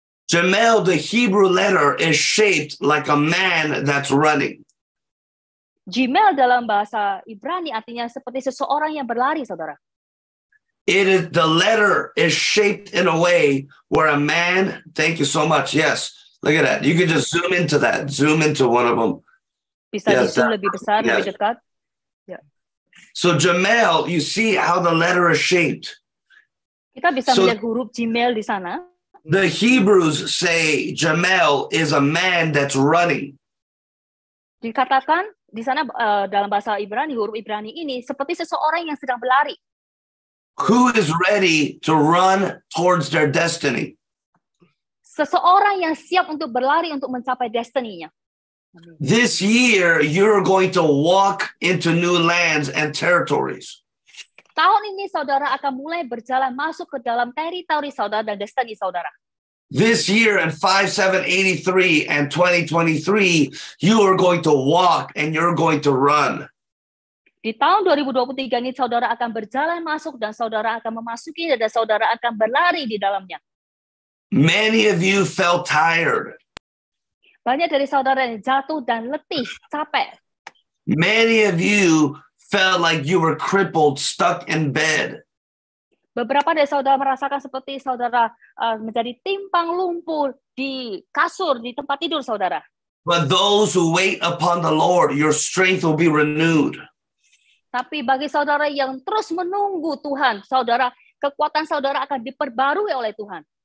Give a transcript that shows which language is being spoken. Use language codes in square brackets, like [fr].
[en] Gimel, the Hebrew letter, is shaped like a man that's running. [id] Gimel dalam bahasa Ibrani artinya seperti seseorang yang berlari, saudara. [en] It is, the letter is shaped in a way where a man, thank you so much, yes, look at that. You can just zoom into that, zoom into one of them. [id] Bisa yes, zoom lebih besar, yes. Lebih dekat. [en] Yeah. So Gimel, you see how the letter is shaped. [id] Kita bisa melihat huruf Gimel di sana. [en] The Hebrews say Gimel is a man that's running. [id] Dikatakan di sana dalam bahasa Ibrani, huruf Ibrani ini seperti seseorang yang sedang berlari. [en] Who is ready to run towards their destiny? [id] Seseorang yang siap untuk berlari untuk mencapai destininya. [en] This year, you're going to walk into new lands and territories. [id] Tahun ini, saudara akan mulai berjalan masuk ke dalam teritori saudara dan destiny saudara. [en] This year in 5783 and 2023, you are going to walk and you're going to run. [id] Di tahun 2023 ini saudara akan berjalan masuk dan saudara akan memasuki dan saudara akan berlari di dalamnya. [en] Many of you felt tired. [id] Banyak dari saudara yang jatuh dan letih, capek. [en] Many of you felt like you were crippled, stuck in bed. [id] Beberapa dari saudara merasakan seperti saudara menjadi timpang lumpur di kasur, di tempat tidur saudara. [en] But those who wait upon the Lord, your strength will be renewed. [id] Tapi bagi saudara yang terus menunggu Tuhan, saudara, kekuatan saudara akan diperbarui oleh Tuhan.